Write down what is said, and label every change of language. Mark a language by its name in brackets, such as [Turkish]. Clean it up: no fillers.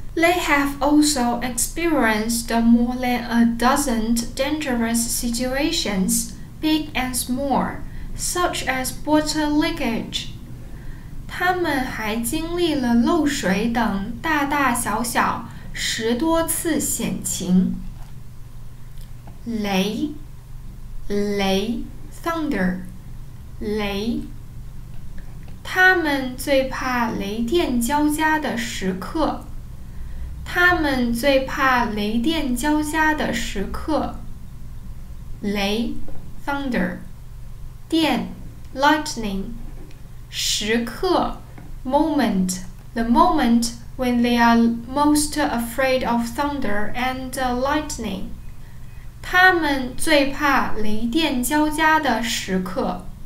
[English] They have also experienced more than a dozen dangerous situations, big and small, such as water leakage. [Chinese] 他们还经历了漏水等大大小小十多次险情。雷 thunder, 雷。他们最怕雷电交加的时刻。他们最怕雷电交加的时刻。 [English] 雷 ,thunder, 电 ,lightning, 时刻 ,moment, the moment when they are most afraid of thunder and lightning. [Chinese] 他们最怕雷电交加的时刻。